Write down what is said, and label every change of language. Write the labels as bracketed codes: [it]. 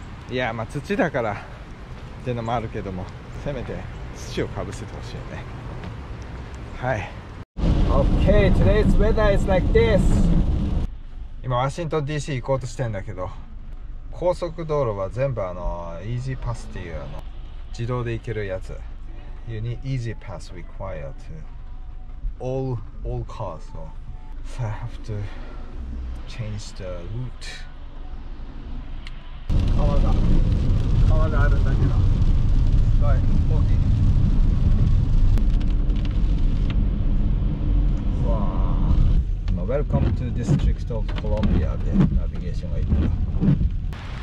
[ja] いや、まあ土だからってのもあるけども、せめて土をかぶせてほしいね。 [en] はい。Okay, today's weather is like this! [ja] 今、ワシントン DC 行こうとしてんだけど、高速道路は全部イージーパスっていう自動で行けるやつ。 [en] You need easy pass required to. All cars, so I have to change the route. [ja] 川があるんだけど、すごい大きい。わあ。今 [en] Welcome to District of Columbia [ja] でナビゲーションが行った。